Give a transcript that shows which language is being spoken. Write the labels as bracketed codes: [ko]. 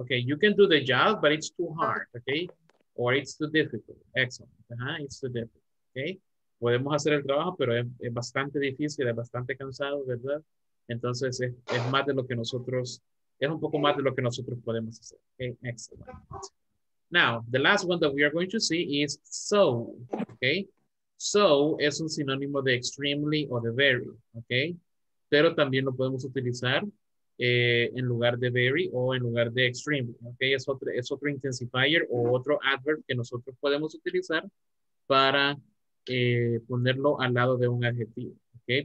[en] Okay, you can do the job, but it's too hard. Okay, or it's too difficult. Excellent. Uh-huh. It's too difficult. [es] Okay, podemos hacer el trabajo, pero es bastante difícil, es bastante cansado, ¿verdad? Entonces es más de lo que nosotros, es un poco más de lo que nosotros podemos hacer. [en] Okay, excellent. Now, the last one that we are going to see is so, okay? [es] So es un sinónimo de extremely o de very, okay? Pero también lo podemos utilizar en lugar de very o en lugar de extremely, okay? Es otro intensifier o otro adverb que nosotros podemos utilizar para ponerlo al lado de un adjetivo, okay?